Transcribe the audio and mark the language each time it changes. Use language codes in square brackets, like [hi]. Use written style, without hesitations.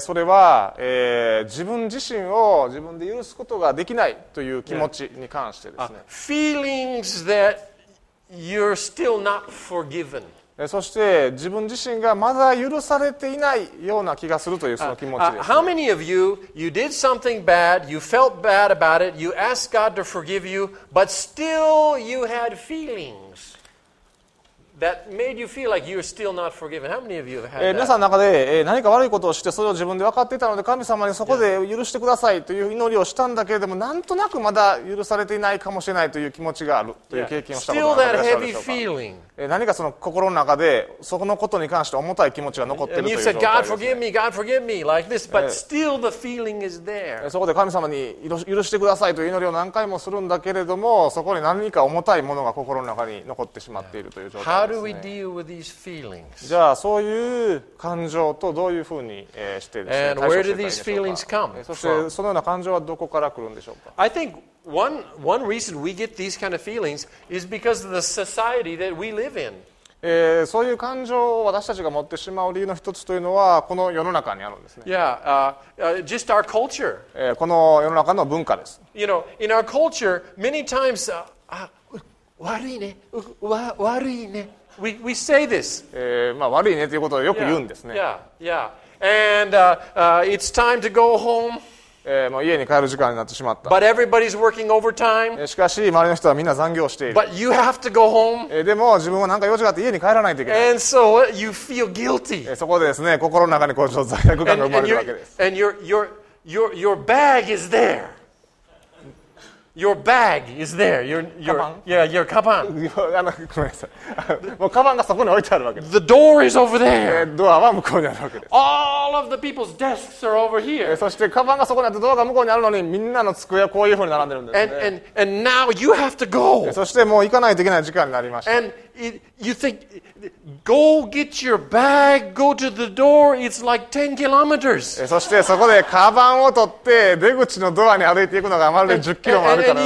[ja] それは、自分自身を自分で許すことができないという気持ちに関してですね。 [en] Feelings that you're still not forgiven. [ja] そして自分自身がまだ許されていないような気がするというその気持ちです、ね。 [en] How many of you, you did something bad, you felt bad about it, you asked God to forgive you, but still you had feelings that made you feel like you're still not forgiven? How many of you have had that? [ja] 皆さんの中で何か悪いことをしてそれを自分で分かっていたので神様にそこで許してくださいという祈りをしたんだけれども、なんとなくまだ許されていないかもしれないという気持ちがあるという経験をしたことがあるでしょうか。 [en] Still that heavy feeling. [ja] 何かその心の中でそのことに関して重たい気持ちが残っているという状態ですね。 [en] You said, God forgive me, God forgive me, like this, but still the feeling is there. [ja] そこで神様に許してくださいという祈りを何回もするんだけれども、そこに何か重たいものが心の中に残ってしまっているという状態ですね。 [en] How do we deal with these feelings? [ja] じゃあそういう感情とどういうふうにしてですね、対処していたんでしょうか。そしてそのような感情はどこから来るんでしょうか。 [en] I thinkOne reason we get these kind of feelings is because of the society that we live in. [ja] そういう感情を私たちが持ってしまう理由の一つというのはこの世の中にあるんですね。 [en] just our culture. [ja] この世の中の文化です。 [en] You know, in our culture, many times, [ja] 悪いね、悪いね。 [en] We say this. [ja] 悪いねということをよく言うんですね。 [en] And it's time to go home. [ja] もう家に帰る時間になってしまった。 [en] But everybody's working overtime. [ja] しかし周りの人はみんな残業している。 [en] But you have to go home. [ja] でも自分は何か用事があって家に帰らないといけない。 [en] And so you feel guilty. [ja] そこでですね、心の中にこうちょっと罪悪感が生まれるわけです。 [en] And your bag is there. Your カバン。 [ja] ごめんなさい。もうカバンがそこに置いてあるわけです。 [en] The door is over there. [ja] ドアは向こうにあるわけです。 [en] All of the people's desks are over here. [ja] そしてカバンがそこにあってドアが向こうにあるのに、みんなの机はこういうふうに並んでるんですね。 [en] And now you have to go. [ja] そしてもう行かないといけない時間になりました。 [en] And you think, go get your bag, go to the door, it's like 10 kilometers. [ja] そしてそこでカバンを取って出口のドアに歩いていくのがまるで10キロもあるから